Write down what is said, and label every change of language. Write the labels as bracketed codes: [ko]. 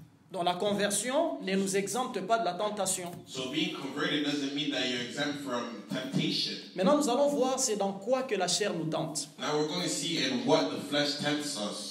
[fr] Donc la conversion ne nous exempte pas de la tentation. [en] So being converted doesn't mean that you're exempt from temptation. [fr] Maintenant nous allons voir c'est dans quoi que la chair nous tente. [en] Now we're going to see in what the flesh tempts us.